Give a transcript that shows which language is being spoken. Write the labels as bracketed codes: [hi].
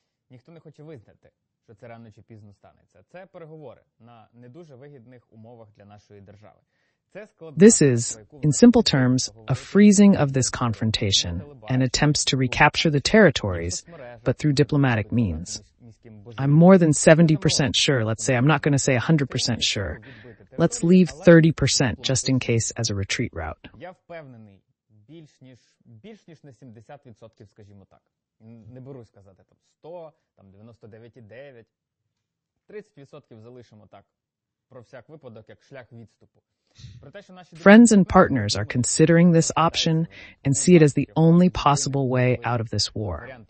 [uk] Ніхто не хоче визнати, що це рано чи пізно станеться. Це переговори на не дуже вигідних умовах для нашої держави. Це складно. [en] This is, in simple terms, a freezing of this confrontation and attempts to recapture the territories, but through diplomatic means. I'm more than 70% sure, let's say, I'm not going to say 100% sure. Let's leave 30% just in case as a retreat route. [uk] Я впевнений, більш ніж на 70%, скажімо так. Не берусь сказати, там 100, там 99,9. 30% залишимо так, про всяк випадок, як шлях відступу. [en] Friends and partners are considering this option and see it as the only possible way out of this war.